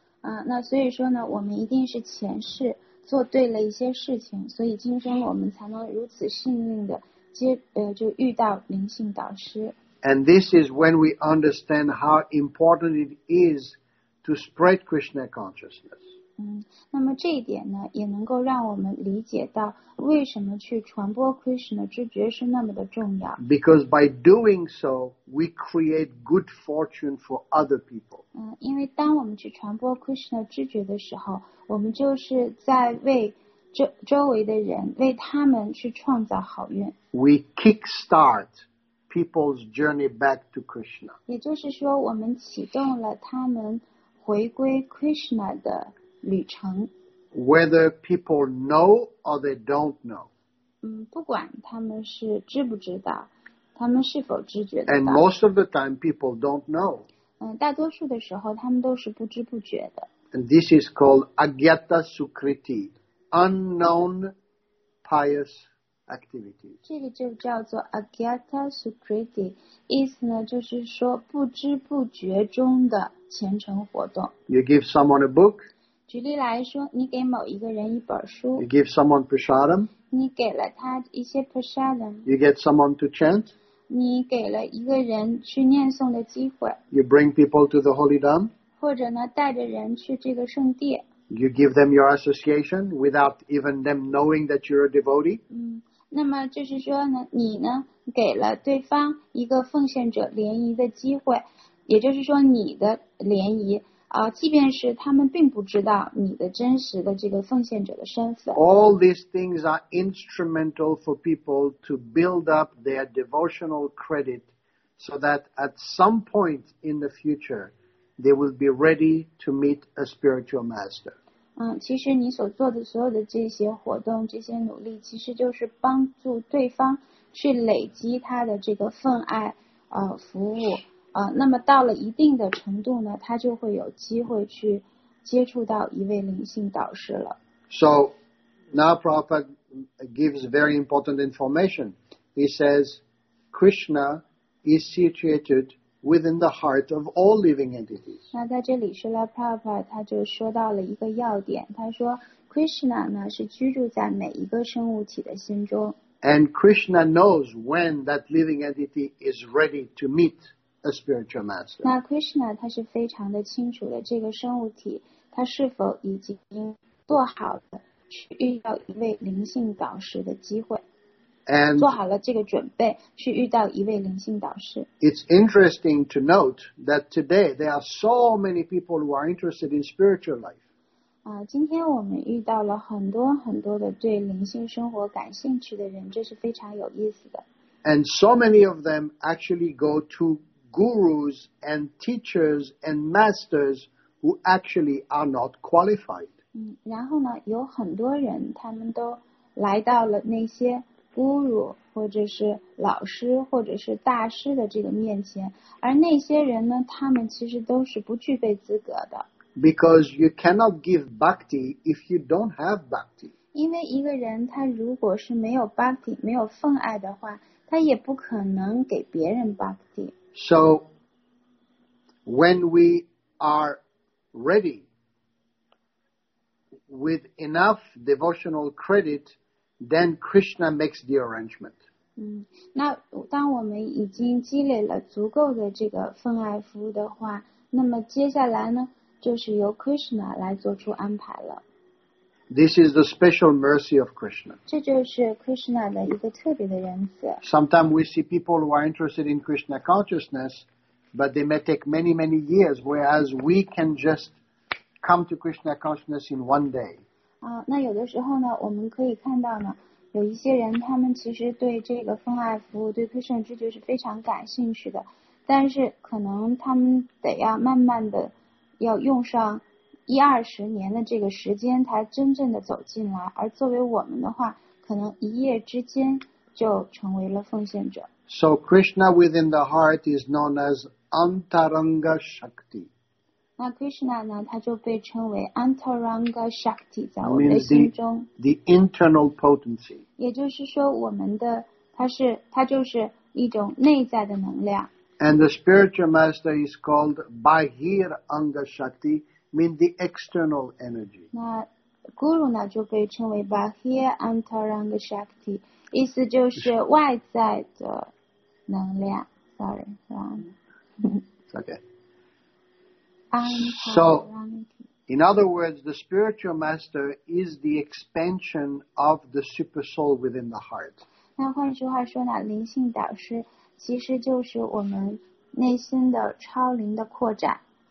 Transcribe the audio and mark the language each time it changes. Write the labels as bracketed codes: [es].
[zh] 那所以说呢，我们一定是前世做对了一些事情，所以今生我们才能如此幸运的就遇到灵性导师。 [en] And this is when we understand how important it is to spread Krishna consciousness. [zh] 那么这一点呢，也能够让我们理解到为什么去传播 Krishna 之觉是那么的重要。 [en] Because by doing so, we create good fortune for other people. [zh] 因为当我们去传播 Krishna 之觉的时候，我们就是在为周围的人，为他们去创造好运。 [en] We kickstart. People's journey back to Krishna. [zh] 也就是说我们启动了他们回归 Krishna 的旅程。 [en] Whether people know or they don't know. [zh] 不管他们是知不知道，他们是否知觉得到。 [en] And most of the time people don't know. [zh] 大多数的时候他们都是不知不觉的。 [en] And this is called Agyata Sukriti, unknown pious. activities. [zh] 这个就叫做 Agyata Sukriti, 意思呢就是说不知不觉中的虔诚活动。 [en] You give someone a book. [zh] 举例来说，你给某一个人一本书。 [en] You give someone prasadam. [zh] 你给了他一些 prasadam. [en] You get someone to chant. [zh] 你给了一个人去念诵的机会。 [en] You bring people to the holy dham. [zh] 或者呢，带着人去这个圣地。 [en] You give them your association without even them knowing that you're a devotee. [zh] 那么就是说呢，你呢给了对方一个奉献者联谊的机会，也就是说你的联谊啊，即便是他们并不知道你的真实的这个奉献者的身份。 [en] All these things are instrumental for people to build up their devotional credit, so that at some point in the future they will be ready to meet a spiritual master. [zh] 其实你所做的所有的这些活动，这些努力，其实就是帮助对方去累积他的这个份爱服务那么到了一定的程度呢，他就会有机会去接触到一位灵性导师了。 [en] So now Prabhupada gives very important information. He says Krishna is situated within the heart of all living entities. [zh] 那在这里Srila Prabhupada他就说到了一个要点，他说 Krishna 呢是居住在每一个生物体的心中。 [en] And Krishna knows when that living entity is ready to meet a spiritual master. [zh] 那 Krishna 他是非常的清楚的，这个生物体他是否已经做好了去遇到一位灵性导师的机会。 [en] And [zh] 做好了这个准备去遇到一位灵性导师。 [en] It's interesting to note that today there are so many people who are interested in spiritual life. [zh] 今天我们遇到了很多很多的对灵性生活感兴趣的人，这是非常有意思的。 [en] And so many of them actually go to gurus and teachers and masters who actually are not qualified. [zh] 然后呢，有很多人他们都来到了那些guru 或者是老师或者是大师的这个面前，而那些人呢，他们其实都是不具备资格的。 [en] Because you cannot give bhakti if you don't have bhakti. [zh] 因为一个人他如果是没有 bhakti, 没有奉爱的话，他也不可能给别人 bhakti. [en] So when we are ready with enough devotional credit,Then Krishna makes the arrangement. [zh] 那当我们已经积累了足够的这个奉爱服务的话，那么接下来呢，就是由 Krishna 来做出安排了。 [en] This is the special mercy of Krishna. [zh] 这就是 Krishna 的一个特别的恩赐。 [en] Sometimes we see people who are interested in Krishna consciousness, but they may take many, many years, whereas we can just come to Krishna consciousness in one day. [zh] 那有的时候呢，我们可以看到呢，有一些人他们其实对这个奉爱服务，对 Krishna 知觉是非常感兴趣的，但是可能他们得要慢慢的，要用上一二十年的这个时间才真正的走进来，而作为我们的话，可能一夜之间就成为了奉献者。 [en] So Krishna within the heart is known as Antaranga Shakti. [zh] 那 Krishna 呢，他就被称为 Antaranga Shakti， 在我们的心中。 [en] The internal potency. [zh] 也就是说，我们的它就是一种内在的能量。 [en] And the spiritual master is called Bahir Anga Shakti, means the external energy. [zh] 那 Guru 呢就被称为 Bahir Antaranga Shakti， 意思就是外在的能量。 [en] Sorry, wrong. Okay. So, in other words, the spiritual master is the expansion of the super soul within the heart. [zh] 那换句话说呢，灵性导师其实就是我们内心的超灵的扩展。